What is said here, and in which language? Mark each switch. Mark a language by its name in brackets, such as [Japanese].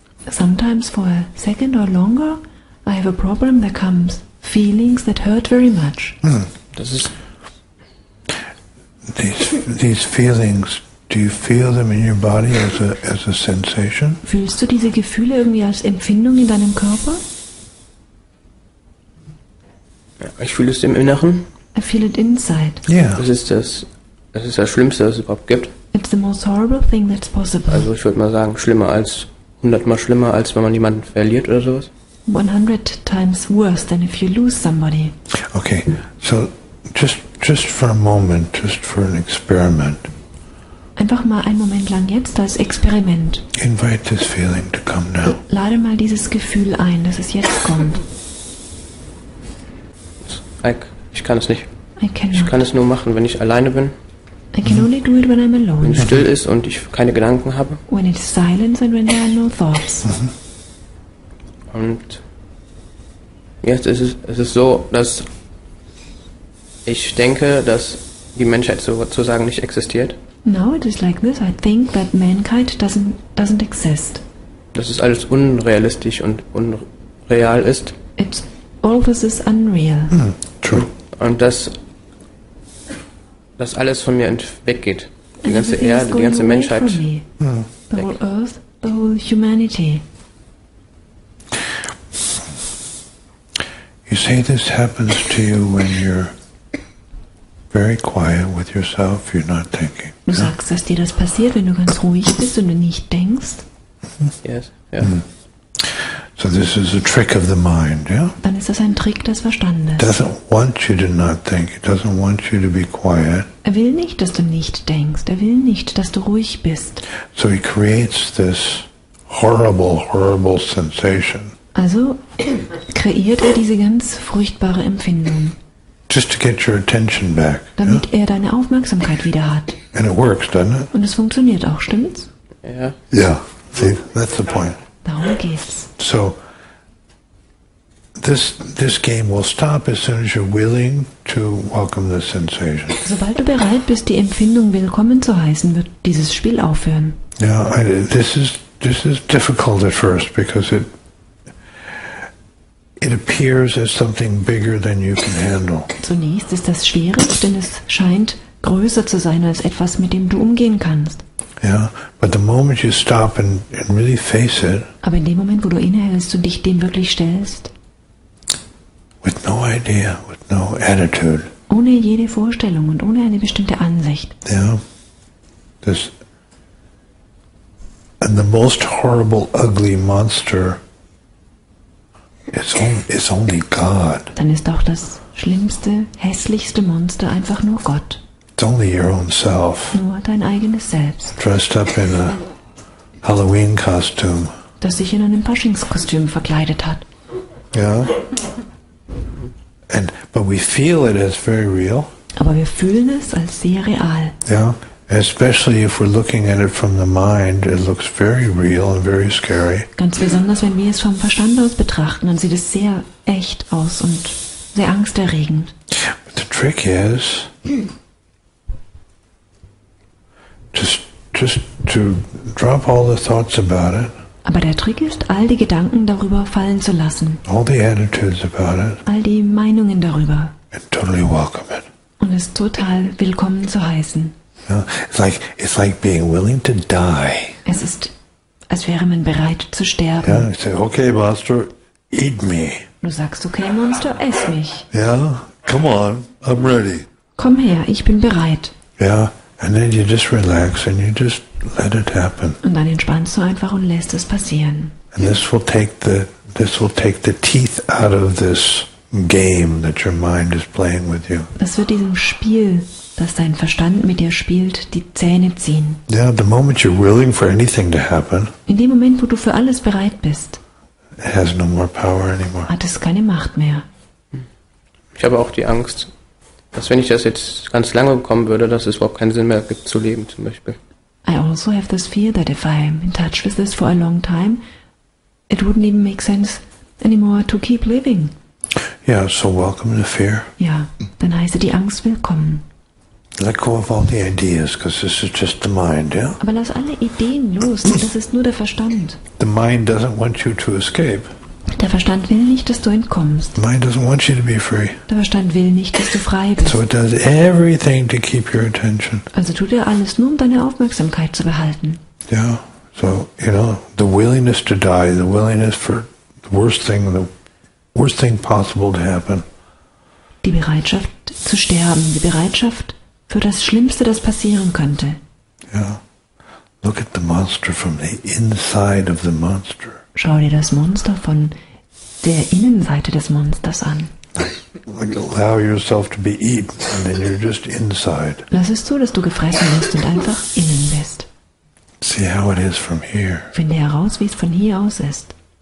[English] Sometimes for a second or longer, I have a problem that comes feelings that hurt very much. Hm. [German] Das ist [English] these feelings, do you feel them in your body as a sensation? [German] Fühlst du diese Gefühle irgendwie als Empfindung in deinem Körper? Ja, ich fühle es im Inneren. [English] I feel it inside. Yeah. [German] Das ist das Schlimmste, was es überhaupt gibt. [English] It's the most horrible thing that's possible. [German] Also ich würde mal sagen, schlimmer als 100-mal schlimmer, als wenn man jemanden verliert oder sowas. [English] 100 times worse than if you lose somebody. Okay, so just for a moment, just for an experiment. [German] Einfach mal einen Moment lang jetzt als Experiment. [English] Invite this feeling to come now. [German] Lade mal dieses Gefühl ein, dass es jetzt kommt. Ich kann es nicht. [English] I cannot. [German] Ich kann es nur machen, wenn ich alleine bin. [English] I can only do it when I'm alone. [German] Wenn es still ist und ich keine Gedanken habe. [English] When it's silence and when there are no thoughts. [German] Und jetzt ist es ist so, dass ich denke, dass die Menschheit sozusagen nicht existiert. [English] Now it is like this. I think that mankind doesn't exist. [German] Dass es alles unrealistisch und unreal ist. [English] It's all this is unreal. True. [German] Und dass alles von mir weggeht. Die ganze Erde, die ganze Menschheit. [English] The whole earth, the whole humanity. You say this happens to you when you're very quiet with yourself, you're not thinking. [German] Du sagst, dass dir das passiert, wenn du ganz ruhig bist und du nicht denkst. [English] Yes, yeah. Mm. So this is a trick of the mind, yeah? [German] Dann ist das ein Trick des Verstandes. [English] It doesn't want you to not think. It doesn't want you to be quiet. [German] Er will nicht, dass du nicht denkst. Er will nicht, dass du ruhig bist. [English] So he creates this horrible, horrible sensation. [German] Also kreiert er diese ganz furchtbare Empfindung. [English] Just to get your attention back. [German] Damit er deine Aufmerksamkeit wieder hat. [English] And it works, doesn't it? [German] Und es funktioniert auch, stimmt's? [English] Yeah. Yeah. See, that's the point. [German] Darum geht's. [English] So this game will stop as soon as you're willing to welcome the sensation. [German] Sobald du bereit bist, die Empfindung willkommen zu heißen, wird dieses Spiel aufhören. [English] Yeah, this is difficult at first because it appears as something bigger than you can handle. [German] Zunächst ist das schwierig, denn es scheint größer zu sein als etwas, mit dem du umgehen kannst. [English] Yeah, but the moment you stop and really face it. [German] Aber in dem Moment, wo du innehältst und dich dem wirklich stellst. [English] With no idea, with no attitude. [German] Ohne jede Vorstellung und ohne eine bestimmte Ansicht. [English] Yeah. This and the most horrible, ugly monster. It's only God. [German] Dann ist auch das schlimmste, hässlichste Monster einfach nur Gott. [English] It's only your own self. [German] Nur dein eigenes Selbst. [English] Dressed up in a Halloween costume. [German] Das sich in einem Faschingskostüm verkleidet hat. [English] Yeah. But we feel it as very real. [German] Aber wir fühlen es als sehr real. [English] Yeah. Especially if we're looking at it from the mind, it looks very real and very scary. [German] Ganz besonders, wenn wir es vom Verstand aus betrachten, dann sieht es sehr echt aus und sehr angsterregend. [English] But the trick is just to drop all the thoughts about it. [German] Aber der Trick ist, all die Gedanken darüber fallen zu lassen. [English] All the attitudes about it. [German] All die Meinungen darüber. [English] And totally welcome it. [German] Und es total willkommen zu heißen. [English] You know, it's like being willing to die. [German] Es ist, als wäre man bereit zu sterben. [English] Yeah, you say, okay, Monster, eat me. [German] Du sagst, okay, Monster, ess mich. [English] Yeah, come on, I'm ready. [German] Komm her, ich bin bereit. [English] Yeah, and then you just relax and you just let it happen. [German] Und dann entspannst du einfach und lässt es passieren. [English] And this will take the teeth out of this game that your mind is playing with you. [German] Das wird diesem Spiel, das dein Verstand mit dir spielt, die Zähne ziehen. [English] Yeah, the moment you're willing for anything to happen. [German] In dem Moment, wo du für alles bereit bist. [English] It has no more power anymore. [German] Hat es keine Macht mehr. Ich habe auch die Angst, dass wenn ich das jetzt ganz lange bekommen würde, dass es überhaupt keinen Sinn mehr gibt zu leben, zum Beispiel. [English] I also have this fear that if I'm in touch with this for a long time, it wouldn't even make sense anymore to keep living. Yeah, so welcome the fear. [German] Ja, dann heiße die Angst willkommen. [English] Let go of all the ideas, because this is just the mind, yeah? [German] Aber lass alle Ideen los, das ist nur der Verstand. [English] The mind doesn't want you to escape. [German] Der Verstand will nicht, dass du entkommst. [English] Mind doesn't want you to be free. [German] Der Verstand will nicht, dass du frei bist. [English] So it does everything to keep your attention. [German] Also tut er alles nur, um deine Aufmerksamkeit zu behalten. [English] Yeah, so, you know, the willingness to die, the willingness for the worst thing possible to happen. [German] Die Bereitschaft zu sterben, die Bereitschaft für das Schlimmste, das passieren könnte. [English] Yeah, look at the monster from the inside of the monster. [German] Schau dir das Monster von der Innenseite des Monsters an. [English] Allow yourself to be eaten and then you're just inside. [German] Lass es zu, dass du gefressen bist und einfach innen bist. [English] See how it is from here. [German] Finde heraus, wie es von hier aus ist.